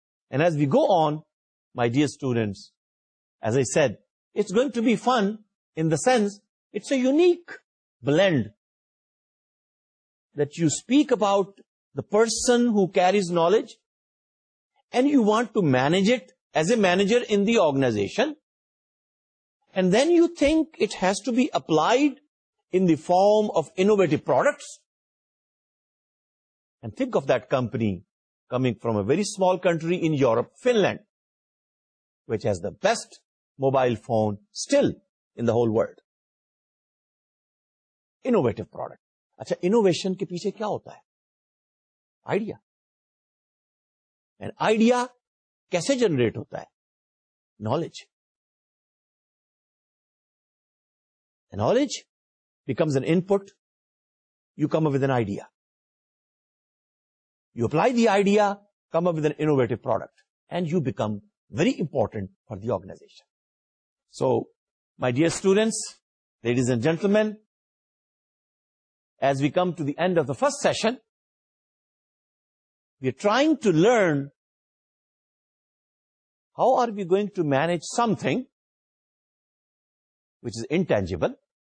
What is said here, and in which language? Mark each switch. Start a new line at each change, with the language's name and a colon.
English: And as we go on, my dear students, as I said, it's going to be fun in the sense it's a unique blend that you speak about the person who carries knowledge and you want to manage it as a manager in the organization, and then you think it has to be applied in the form of innovative products. And think of that company coming from a very small country in Europe, Finland, which has the best mobile phone still in the whole world. innovative product.
Urdu: اچھا innovation کے پیچھے کیا ہوتا ہے, idea.
English: And
Urdu: idea کیسے generate ہوتا ہے, knowledge.
English: And knowledge becomes an input, you come up with an idea. You apply the idea, come up with an innovative product, and you become very important for the organization. So, my dear students, ladies and gentlemen, as we come to the end of the first session, we are trying to learn how are we going to manage something which is intangible.